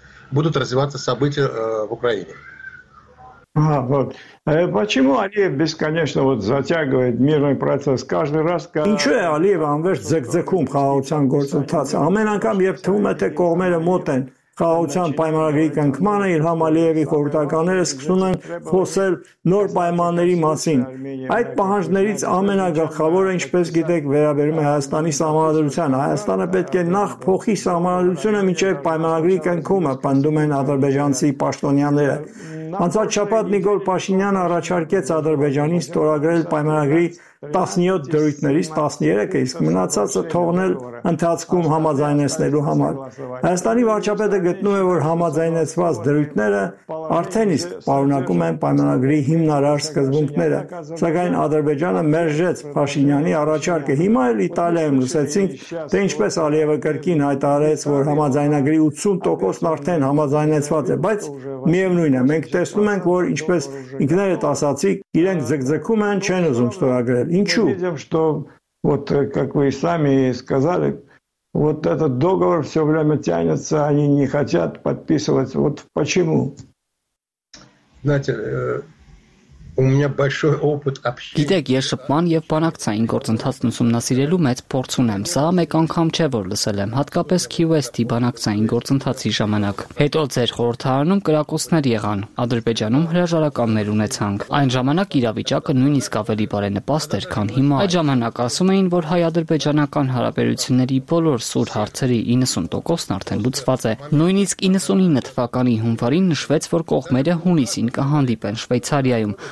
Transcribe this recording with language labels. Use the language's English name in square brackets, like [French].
[Russian] Будут развиваться события в Украине. Почему Алиев бесконечно вот затягивает мирный процесс каждый раз? [Armenian] Ինչու է Ալիևը անվերջ ձգձգում խաղաղության գործընթացը? Ամեն անգամ, երբ թվում է, թե կողմերը մոտ են խաղաղության պայմանագրի կնքմանը, Իլհամ Ալիևի խորհրդականները սկսում են խոսել նոր պայմանների մասին։ Այդ պահանջներից ամենագլխավորը, ինչպես գիտեք, վերաբերում է Հայաստանի սահմանադրությանը։ Հայաստանը պետք է նախ փոխի սահմանադրությունը, մինչև պայմանագրի կնքումը, պնդում են ադրբեջանցի պաշտոնյաները։ Անցած շաբաթ Նիկոլ Փաշինյանը առաջարկեց Ադրբեջանին ստորագրել պայմանագրի 17 դրույթներից 13-ը, իսկ մնացածը թողնել ընթացքում համաձայնեցնելու համար։ Հայաստանի վարչապետը գտնում է, որ համաձայնեցված դրույթները արդեն իսկ պարունակում են պայմանագրի հիմնարար սկզբունքները, սակայն Ադրբեջանը մերժեց Փաշինյանի առաջարկը։ Հիմա էլ Իտալիայում լսեցինք, թե ինչպես Ալիևը կրկին հայտարարեց, որ համաձայնագրի 80%-ն արդեն համաձայնեցված է, բայց միևնույն է, մենք տեսնում ենք, որ ինչպես ինքներդ ասացի, իրենք ձգձգում են, չեն ուզում ստորագրել։ Ինչու? [Russian] Видим, что вот как вы сами сказали, вот этот договор всё время тянется, они не хотят подписывать. Вот почему? Знаете, у меня большой опыт общения. [Armenian] Գիտեք, ես շփման եւ բանակցային գործընթացն ուսումնասիրելու մեծ փորձ ունեմ։ Սա մեկ անգամ չէ, որ լսել եմ, հատկապես QST բանակցային գործընթացի ժամանակ։ Հետո ձեր խորհրդարանում կրակոցներ եղան, Ադրբեջանում հրաժարականներ ունեցանք։ Այն ժամանակ իրավիճակը նույնիսկ ավելի բարենպաստ էր, քան հիմա։ Այդ ժամանակ ասում էին, որ հայ-ադրբեջանական հարաբերությունների բոլոր սուր հարցերի 90%-ն արդեն լուծված է։ Նույնիսկ 99 թվականի հունվարին նշվեց, որ կողմերը հունիսին կհանդիպեն Շվեյցարիայում։